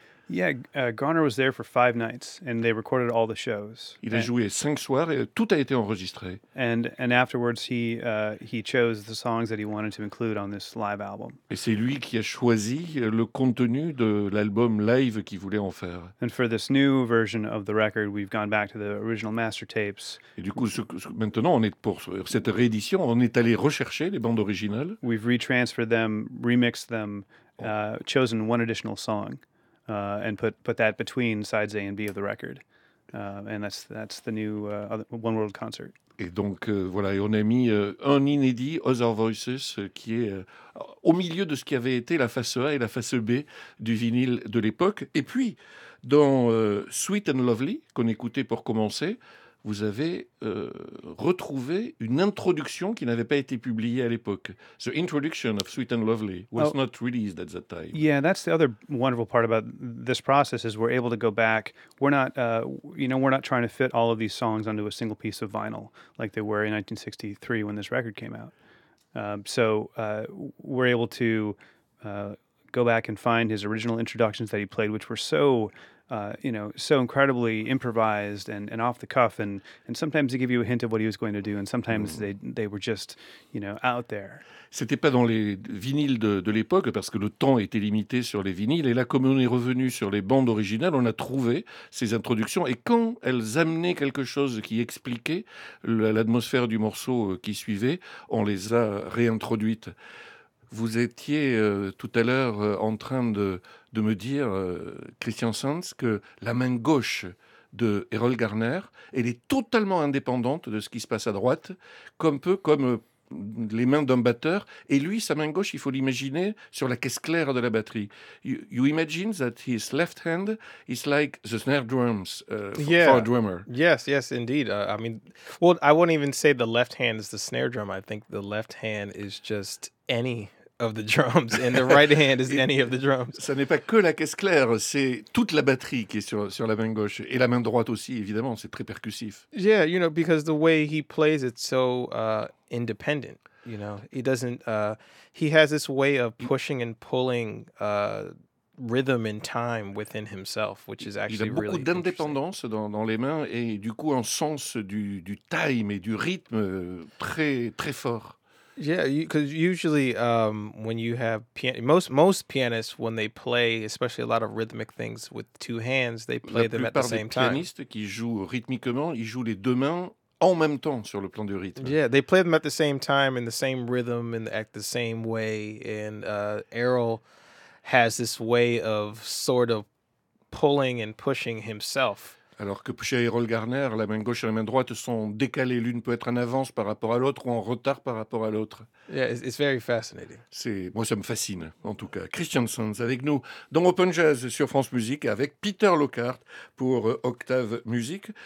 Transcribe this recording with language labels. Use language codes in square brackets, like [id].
[en] Yeah, Garner was there for 5 nights and they recorded all the shows. [fr] Il a joué 5 soirs et tout a été enregistré. [en] And afterwards he chose the songs that he wanted to include on this live album. [fr] Et c'est lui qui a choisi le contenu de l'album live qu'il voulait en faire. [en] And for this new version of the record, we've gone back to the original master tapes. [fr] Et du coup, maintenant on est pour cette réédition, on est allé rechercher les bandes originales. [en] We've retransferred them, remixed them, chosen one additional song. And put that between sides A and B of the record, and that's the new One World concert. [fr] Et donc voilà, et on a mis un inédit Other Voices qui est au milieu de ce qui avait été la face A et la face B du vinyle de l'époque. Et puis dans Sweet and Lovely qu'on écoutait pour commencer, vous avez retrouvé une introduction qui n'avait pas été publiée à l'époque. [en] The introduction of Sweet and Lovely was not released at that time. Yeah, that's the other wonderful part about this process is we're able to go back. We're not trying to fit all of these songs onto a single piece of vinyl like they were in 1963 when this record came out. So we're able to go back and find his original introductions that he played, which were so incredibly improvised and off the cuff, and sometimes they give you a hint of what he was going to do, and sometimes they were just, out there. [fr] C'était pas dans les vinyles de l'époque parce que le temps était limité sur les vinyles, et là comme on est revenu sur les bandes originales, on a trouvé ces introductions, et quand elles amenaient quelque chose qui expliquait l'atmosphère du morceau qui suivait, on les a réintroduites. Vous étiez tout à l'heure en train de me dire, Christian Sands, que la main gauche de Errol Garner, elle est totalement indépendante de ce qui se passe à droite, comme les mains d'un batteur. Et lui, sa main gauche, il faut l'imaginer sur la caisse claire de la batterie. [en] You imagine that his left hand is like the snare drums for a drummer. Yes, yes, indeed. I won't even say the left hand is the snare drum. I think the left hand is just any of the drums, and the right hand is any of the drums. [fr] Ça n'est pas que la caisse claire, c'est toute la batterie qui est sur la main gauche, et la main droite aussi, évidemment, c'est très percussif. [en] Yeah, because the way he plays, it's so independent, He doesn't, he has this way of pushing and pulling rhythm and time within himself, which is actually really [fr] Il a beaucoup [en] really [fr] d'indépendance dans les mains, et du coup un sens du time et du rythme très, très fort. [en] Yeah, because usually when you have most pianists, when they play, especially a lot of rhythmic things with two hands, they play them at the same time. [fr] La plupart des pianistes qui jouent rythmiquement, ils jouent les deux mains en même temps sur le plan du rythme. [en] Yeah, they played them at the same time in the same rhythm and at the same way. And Errol has this way of sort of pulling and pushing himself. [fr] Alors que chez Errol Garner, la main gauche et la main droite sont décalées. L'une peut être en avance par rapport à l'autre ou en retard par rapport à l'autre. [en] Yeah, it's very fascinating. [fr] Moi, ça me fascine, en tout cas. Christian Sands avec nous dans Open Jazz sur France Musique avec Peter Lockhart pour Octave Music.